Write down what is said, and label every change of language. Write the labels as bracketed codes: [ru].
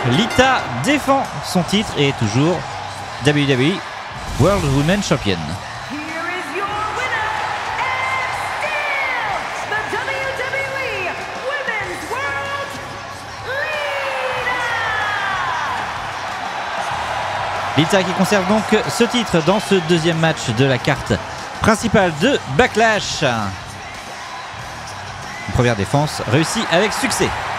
[fr] Lita défend son titre et est toujours WWE World Women Champion. [en] Here is your winner and still the WWE Women's World Leader. [fr] Lita qui conserve donc ce titre dans ce deuxième match de la carte principale de Backlash. Une première défense réussie avec succès.